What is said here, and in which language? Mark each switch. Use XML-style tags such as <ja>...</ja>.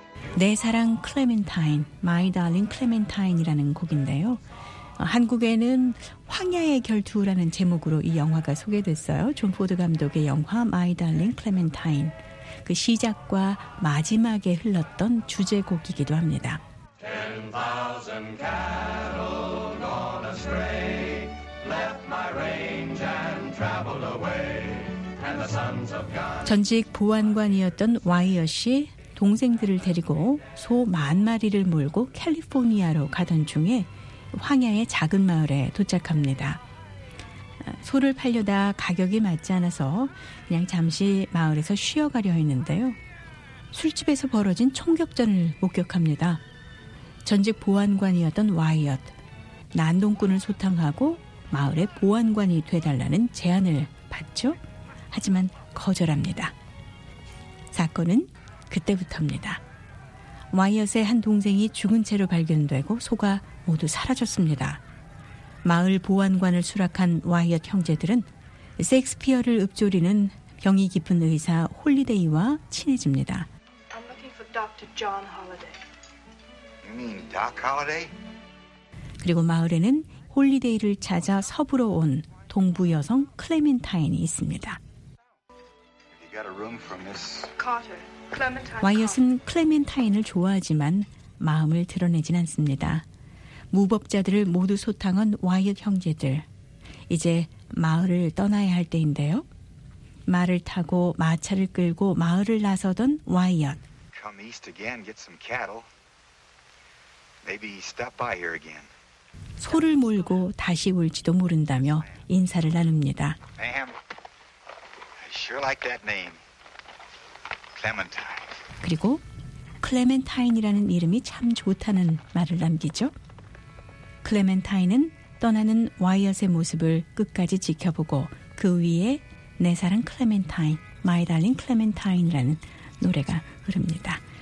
<ko>My darling Clementine, My Darling Clementine이라는 곡인데요. 한국에는 황야의 결투라는 제목으로 이 영화가 소개됐어요. 존 포드 감독의 영화 My Darling Clementine. 그 시작과 마지막에 흘렀던 주제곡이기도 합니다.</ko> <en>10,000 cattle gone astray, left my range and traveled away, and the sons of God.</en> <ko>전직 보안관이었던 와이엇이 동생들을 데리고 소 만 마리를 몰고 캘리포니아로 가던 중에 황야의 작은 마을에 도착합니다. 소를 팔려다 가격이 맞지 않아서 그냥 잠시 마을에서 쉬어가려 했는데요. 술집에서 벌어진 총격전을 목격합니다. 전직 보안관이었던 와이엇, 난동꾼을 소탕하고 마을의 보안관이 돼달라는 제안을 받죠. 하지만 거절합니다. 사건은 그때부터입니다. 와이엇의 한 동생이 죽은 채로 발견되고 소가 모두 사라졌습니다. 마을 보안관을 수락한 와이엇 형제들은 셰익스피어를 읊조리는 병이 깊은 의사 홀리데이와 친해집니다.</ko> <en>I'm looking for Dr. John Holiday. You mean Doc Holiday?</en> <ko>그리고 마을에는 홀리데이를 찾아 서부로 온 동부 여성 클레멘타인이 있습니다.</ko> <en>Have you got a room for Miss Carter?</en> <ko>와이엇은 클레멘타인을 좋아하지만 마음을 드러내진 않습니다. 무법자들을 모두 소탕한 와이엇 형제들. 이제 마을을 떠나야 할 때인데요. 말을 타고 마차를 끌고 마을을 나서던 와이엇.</ko> <en>Come east again, get some cattle. Maybe stop by here again.</en> <ko>소를 몰고 다시 올지도 모른다며 인사를 나눕니다.</ko> <en>Ma'am, I sure like that name.</en> <ko>그리고 클레멘타인이라는 이름이 참 좋다는 말을 남기죠. 클레멘타인은 떠나는 와이엇의 모습을 끝까지 지켜보고 그 위에 내 사랑 클레멘타인, My Darling Clementine이라는 노래가 흐릅니다.</ko>